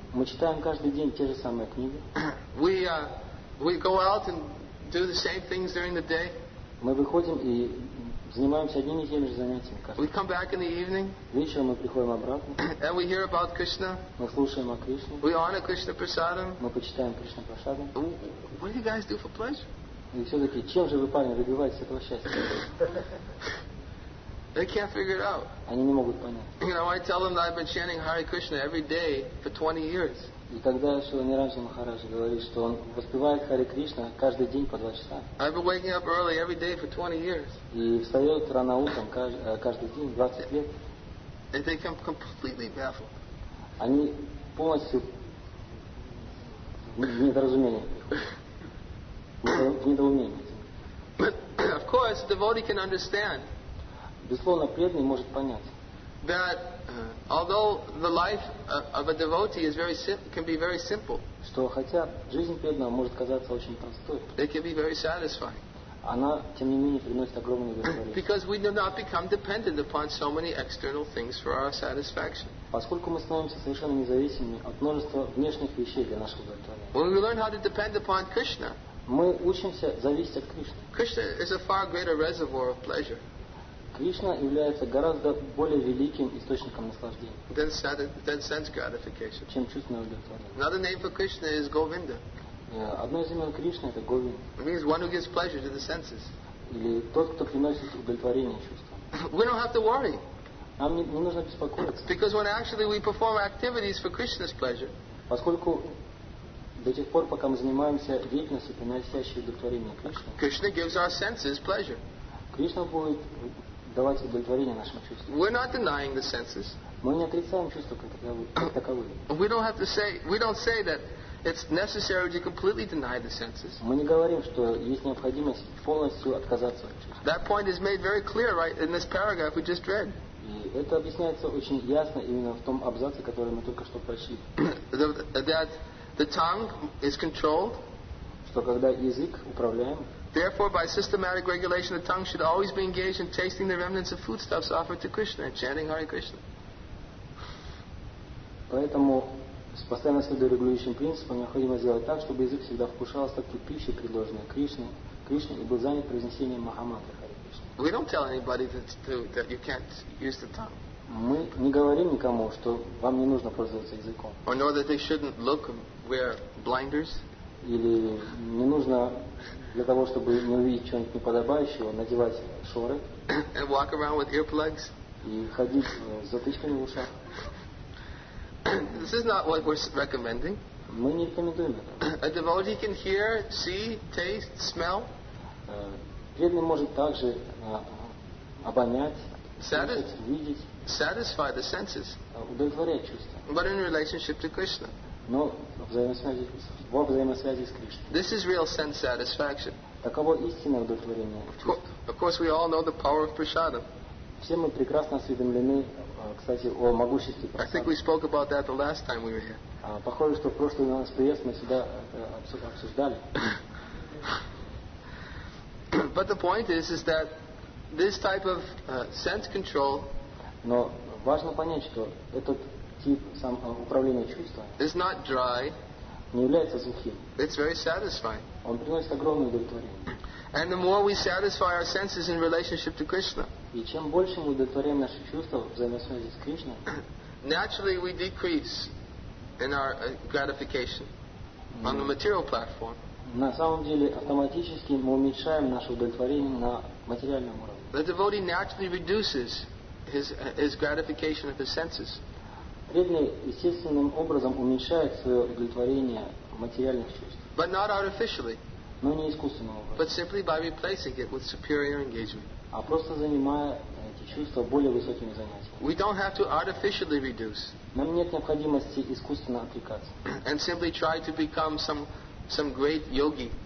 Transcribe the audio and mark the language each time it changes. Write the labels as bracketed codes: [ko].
[ru] Мы читаем каждый день те же самые книги. [en] We go out and do the same things during the day. [ru] Мы выходим и занимаемся одними и теми же занятиями каждый день. [en] We come back in the evening. [ru] Вечером мы приходим обратно. [en] And we hear about Krishna. [ru] Мы слушаем о Кришне. [en] We honor Krishna Prasadam. [ru] Мы почитаем Кришна Прасадам. [en] What do you guys do for pleasure? [ru] И все-таки, чем же вы, парни, добиваетесь этого счастья? [en] They can't figure it out. [ru] Они не могут понять. [en] You know, I tell them that I've been chanting Hare Krishna every day for 20 years. [ru] И когда Шрила Ниранджана Махараджа говорит, что он воспевает Харе Кришна каждый день по 2 часа. [en] I've been waking up early every day for 20 years. [ru] И встает рано утром каждый день 20 лет. [en] And they come completely baffled. [ru] Они полностью в недоразумении. В недоумении. [en] Of course, the devotee can understand. [ru] Безусловно, преданный может понять. [en] That although the life of a devotee is very can be very simple. [ru] Что хотя жизнь преданного может казаться очень простой. [en] It can be very satisfying. [ru] Она тем не менее приносит огромное удовольствие. [en] Because we do not become dependent upon so many external things for our satisfaction. [ru] Поскольку мы становимся совершенно независимыми от множества внешних вещей для нашего удовлетворения. [en] When we learn how to depend upon Krishna. [ru] Мы учимся зависеть от Кришны. [en] Krishna is a far greater reservoir of pleasure. [ru] Кришна является гораздо более великим источником наслаждения, чем чувственное удовлетворение. [en] Another name for Krishna is Govinda. [ru] Одно из имен Кришны это Говинда. [en] It means one who gives pleasure to the senses. [ru] Или тот, кто приносит удовлетворение чувствам. [en] We don't have to worry. [ru] Нам не нужно беспокоиться. [en] Because when actually we perform activities for Krishna's pleasure. [ru] Поскольку до тех пор, пока мы занимаемся деятельностью, приносящей удовлетворение Кришне. [en] Krishna gives our senses pleasure. [ru] Кришна будет давать удовлетворение нашим чувствам. [en] We're not denying the senses. [ru] Мы не отрицаем чувства как таковые. [en] We don't say that it's necessary to completely deny the senses. [ru] Мы не говорим, что есть необходимость полностью отказаться от чувств. [en] That point is made very clear right in this paragraph we just read. [ru] Это объясняется очень ясно именно в том абзаце, который мы только что прочли. [en] That the tongue is controlled. [ru] Что когда язык управляем. [en] Therefore, by systematic regulation, the tongue should always be engaged in tasting the remnants of foodstuffs offered to Krishna and chanting Hare Krishna. [ru] Поэтому с постоянно следующим регулирующим принципом необходимо сделать так, чтобы язык всегда вкушал остатки пищи, предложенной Кришне, и был занят произнесением Махамантры Hare Krishna. [en] We don't tell anybody that you can't use the tongue. [ru] Мы не говорим никому, что вам не нужно пользоваться языком. [en] Or know that they shouldn't look wear blinders. [ru] Или не нужно для того, чтобы не увидеть чего-нибудь неподобающего, надевать шоры [en] and walk around with earplugs. [ru] И ходить с затычками в ушах. [en] This is not what we're recommending. [ru] Мы не рекомендуем это. [en] A devotee can hear, see, taste, smell. [ru] Преданный может также обонять, слышать, видеть, [en] satisfy the senses. [ru] Удовлетворять чувства. [en] But in relationship to Krishna. [ru] Но во взаимосвязи с Кришной. [en] This is real sense satisfaction. [ru] Таково истинное удовлетворение. [en] Of course, we all know the power of prasadam. [ru] Все мы прекрасно осведомлены, кстати, о могуществе прасадам. [en] I think we spoke about that the last time we were here. [ru] Похоже, что в прошлый наш приезд мы сюда обсуждали. [en] But the point is that this type of sense control. [ru] Но важно понять, что этот тип управления чувствами. [en] It's not dry. [ru] Не является сухим. [en] It's very satisfying. [ru] Он приносит огромное удовлетворение. [en] And the more we satisfy our senses in relationship to Krishna. [ru] И чем больше мы удовлетворяем наши чувства в взаимосвязи с Кришной. [en] Naturally we decrease in our gratification on the material platform. [ru] На самом деле автоматически мы уменьшаем наше удовлетворение на материальном уровне. [en] The devotee naturally reduces his gratification of his senses. [ru] Преданный естественным образом уменьшает свое удовлетворение материальных чувств. [en] But not artificially. [ru] Но не искусственным образом. [en] But simply by replacing it with superior engagement. [ru] А просто занимая эти чувства более высокими занятиями. [en] We don't have to artificially reduce. [ru] Нам нет необходимости искусственно отвлекаться. [en] And simply try to become some great yogi.